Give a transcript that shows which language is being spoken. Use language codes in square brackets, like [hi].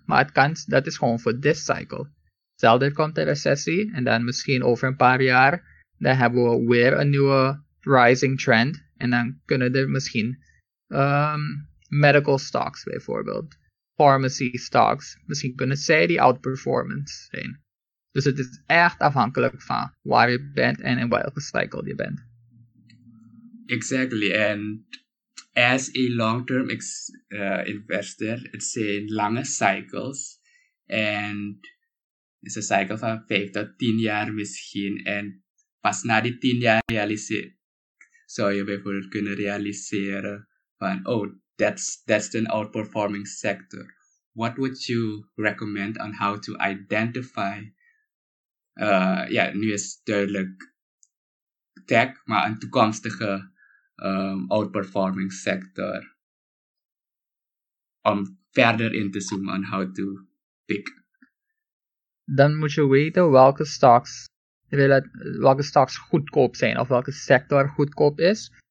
[nl] Maar het kan, dat is gewoon voor [en] this cycle. [nl] Zelden komt de recessie en dan misschien over een paar jaar, dan hebben we weer een nieuwe rising trend. En dan kunnen er misschien medical stocks bijvoorbeeld, pharmacy stocks, misschien kunnen zij die outperformance zijn. Dus het is echt afhankelijk van waar je bent en in welke cycle je bent. [en] Exactly. And as a long-term investor, it's in lange cycles. And is a cycle [nl] van 5 tot 10 jaar misschien. En pas na die 10 jaar zou je bijvoorbeeld kunnen realiseren van, [en] oh, that's an outperforming sector. What would you recommend on how to identify? [nl] Ja, nu is duidelijk tech, maar een toekomstige outperforming sector. Om verder in te zoomen [en] on how to pick. [nl] Dan moet je weten welke stocks goedkoop zijn of welke sector goedkoop is.